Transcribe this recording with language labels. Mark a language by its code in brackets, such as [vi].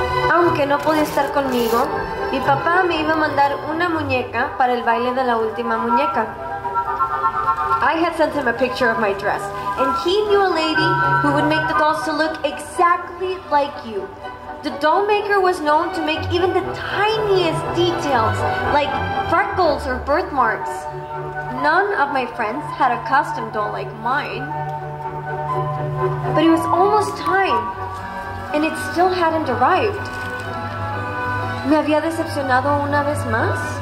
[es] Aunque no podía estar conmigo, mi papá me iba a mandar una muñeca para el baile de la última muñeca. [en] I had sent him a picture of my dress, and he knew a lady who would make the dolls to look exactly like you. The doll maker was known to make even the tiniest details, like freckles or birthmarks. None of my friends had a custom doll like mine. But it was almost time, and it still hadn't arrived. [es] ¿Me había decepcionado una vez más?